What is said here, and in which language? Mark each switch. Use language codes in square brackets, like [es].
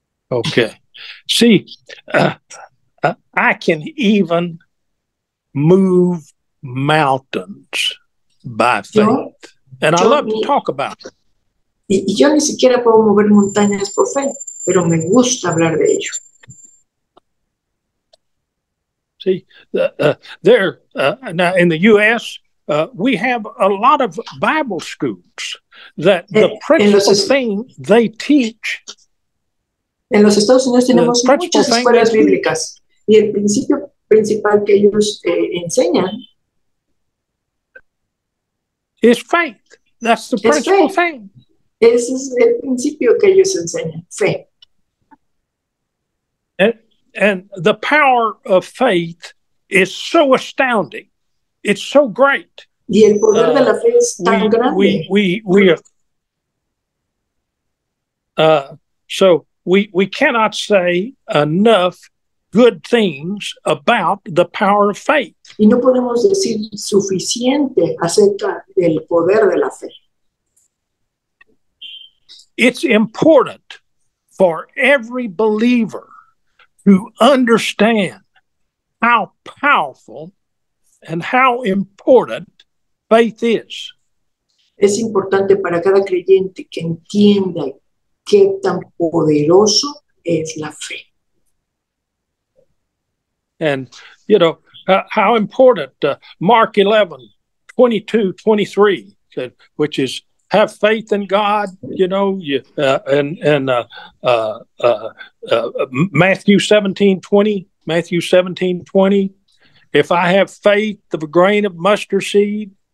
[en] Okay. Sí. I can even move mountains by faith. And I love to talk about it. [es] Y yo ni siquiera puedo mover montañas por fe, pero me gusta hablar de ello. [en] See, now in the U.S., we have a lot of Bible schools that the principal thing they teach. [es] En los Estados Unidos tenemos muchas escuelas bíblicas. Y el principio principal que ellos enseñan [en] is faith. That's the principal thing. [es] Ese es el principio que ellos enseñan, fe. [en] And the power of faith is so astounding. It's so great. [es] Y el poder de la fe es tan grande. [en] We cannot say enough good things about the power of faith. [es] Y no podemos decir suficiente acerca del poder de la fe. [en] It's important for every believer to understand how powerful and how important faith is. [es] Es importante para cada creyente que entienda qué tan poderoso es la fe. [en] And, you know, how important Mark 11:22-23, said, which is have faith in God, you know, Matthew 17:20, if I have faith of a grain of mustard seed.